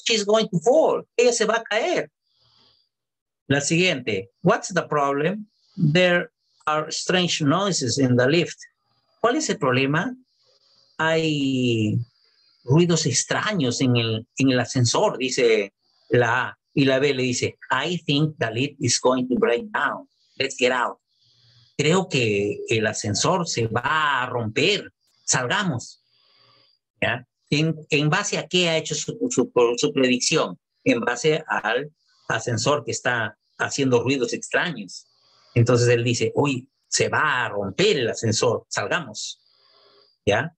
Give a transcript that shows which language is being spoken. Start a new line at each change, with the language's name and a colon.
English: She's going to fall.
Spanish: Ella se va a caer. La siguiente.
English: What's the problem? There are strange noises in the lift.
Spanish: ¿Cuál es el problema? Hay ruidos extraños en el ascensor, dice la A. Y la B le dice,
English: I think the lift is going to break down. Let's get out.
Spanish: Creo que el ascensor se va a romper. Salgamos. ¿Ya? ¿En base a qué ha hecho su predicción? En base al ascensor que está haciendo ruidos extraños. Entonces él dice, uy, se va a romper el ascensor. Salgamos. ¿Ya?